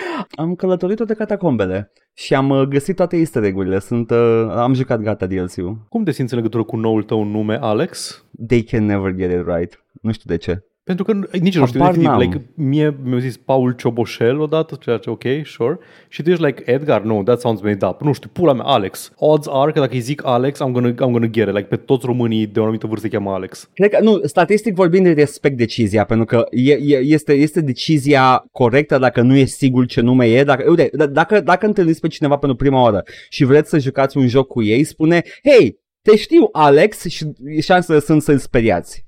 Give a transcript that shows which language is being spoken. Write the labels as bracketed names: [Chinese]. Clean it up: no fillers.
[Romanian] Am călătorit toate catacombele și am găsit toate easter egg-urile. Am jucat gata DLC-ul. Cum te simți în legătură cu noul tău nume, Alex? [English] They can never get it right. [Romanian] Nu știu de ce. Pentru că nici nu știu de like, mie mi-au zis Paul Cioboșel odată, ceea ce [English] ok, sure. [Romanian] Și tu ești [English] like Edgar, no, that sounds made up. [Romanian] Nu știu, pula mea, Alex. [English] Odds are [Romanian] că dacă îi zic Alex, [English] I'm gonna get it. [Romanian] Like, pe toți românii de o anumită vârstă se cheamă Alex. Cred că, nu, statistic vorbind, respect decizia, pentru că este decizia corectă dacă nu e sigur ce nume e. Dacă întâlniți pe cineva pentru prima oară și vreți să jucați un joc cu ei, spune, hey, te știu, Alex, și șansele sunt să-l speriați.